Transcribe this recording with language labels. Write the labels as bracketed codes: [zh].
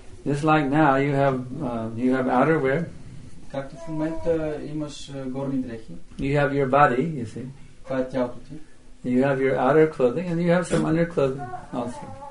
[en] Just like now you have outerwear. [bg] Както в момента имаш горни дрехи. [en] You have your body, you see. [bg] Това е тялото ти. [en] You have your outer clothing and you have some underclothing also.